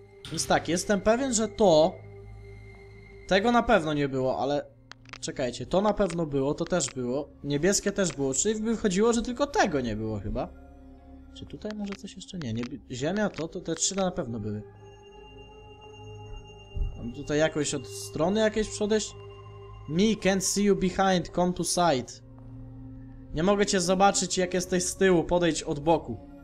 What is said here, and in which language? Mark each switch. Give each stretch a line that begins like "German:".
Polish: Więc tak, jestem pewien, że to... tego na pewno nie było, ale... czekajcie, to na pewno było, to też było. Niebieskie też było, czyli wychodziło, że tylko tego nie było chyba. Czy tutaj może coś jeszcze? Nie, nie... ziemia to te trzy na pewno były. Mam tutaj jakoś od strony jakieś przodejść?
English: Me can't see you behind, come to side.
Polish: Nie mogę cię zobaczyć, jak jesteś z tyłu, podejdź od boku.